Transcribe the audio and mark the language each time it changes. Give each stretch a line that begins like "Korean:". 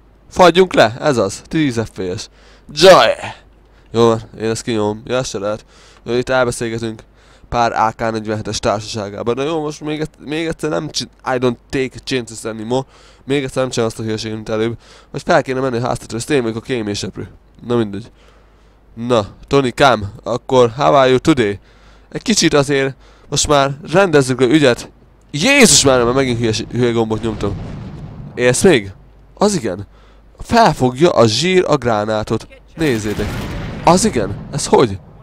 Hungarian: Fagyjunk le, ez az, 10 FPS. Jaj! Jó, én ezt kinyom, ja, se lehet. Jó, itt elbeszélgetünk pár AK-47-es társaságában. Na jó, most még egyszer nem
English: I don't take chances anymore.
Hungarian: Még egyszer nem csinál azt a hülyeség, mint előbb. Most fel kéne menni a háztetőre, ezt én vagyok a kéményseprő. Na mindegy. Na,
English: Tony Cam,
Hungarian: akkor
English: how are you today?
Hungarian: Egy kicsit azért, most már rendezzük a ügyet. Jézus már, mert megint hülye gombot nyomtam. Élsz még? Az igen. Felfogja a zsír a gránátot. Nézzétek. Az igen? Ez hogy?